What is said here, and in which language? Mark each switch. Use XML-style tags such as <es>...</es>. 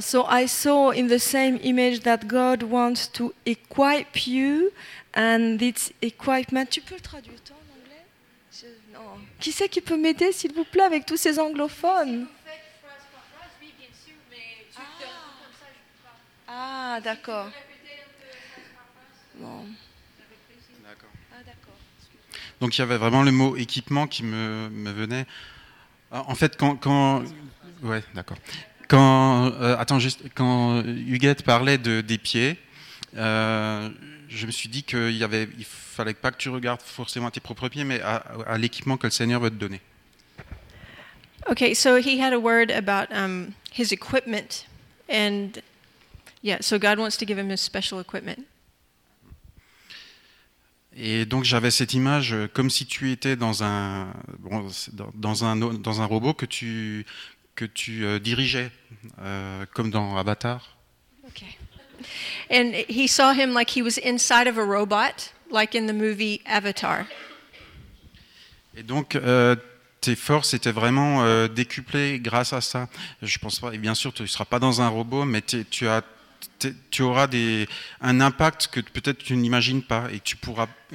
<en>So I saw in the same image that God wants to equip you and this equipment.</en> <fr>Tu peux le traduire toi en anglais? Non. Qui c'est qui peut m'aider, s'il vous plaît, avec tous ces anglophones? Ah, d'accord. Bon. D'accord. Donc il y avait vraiment le mot équipement qui me venait. En fait, quand Huguette parlait des pieds, je me suis dit qu'il fallait pas que tu regardes forcément tes propres pieds, mais à l'équipement que le Seigneur veut te donner.</fr> <en>Okay, so he had a word about his equipment, and yeah, so God wants to give him his special equipment.</en> <fr>Et donc j'avais cette image comme si tu étais dans un robot que tu dirigeais comme dans Avatar.</fr> <en>Okay. And he saw him like he was inside of a robot, like in the movie Avatar.</en> <fr>Et donc tes forces étaient vraiment décuplées grâce à ça. Je pense pas. Et bien sûr, tu ne seras pas dans un robot, mais tu auras un impact que peut-être tu n'imagines pas et tu pourras.</fr>